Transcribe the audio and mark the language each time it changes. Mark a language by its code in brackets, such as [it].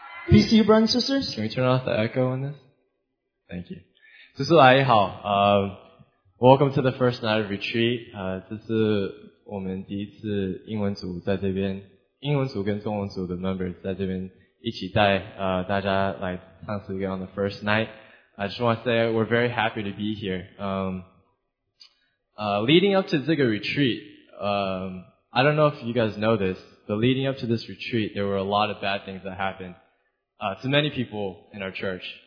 [en] You brothers and sisters? Can we turn off the echo on this? Thank you. [zh] 这是来好, [en] welcome to the first night of retreat. [zh] 这是我们第一次英文组跟中文组的members在这边一起带 大家来唱诗歌 [en] on the first night. I just want to say we're very happy to be here. Leading up to 这个 retreat, I don't know if you guys know this, but leading up to this retreat, there were a lot of bad things that happened. To many people in our church.